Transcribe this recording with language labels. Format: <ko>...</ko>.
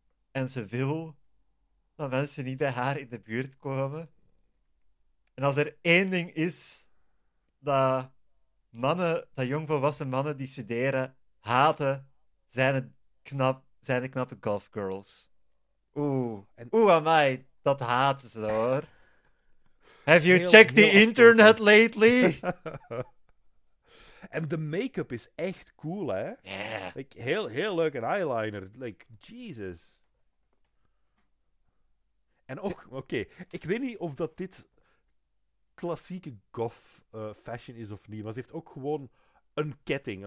<nl>En ze wil dat mensen niet bij haar in de buurt komen. En als er één ding is dat mannen, dat jongvolwassen mannen die studeren, haten, zijn het knappe golfgirls. Oeh, amai, dat haten ze hoor.</nl> <en>Have you checked the internet lately?</en> <nl>En de make-up is echt cool, hè? Yeah. Like, heel leuk, een eyeliner. Like, Jesus. En ook, oké, ik weet niet of dat dit klassieke goth fashion is of niet, maar ze heeft ook gewoon een ketting.</nl>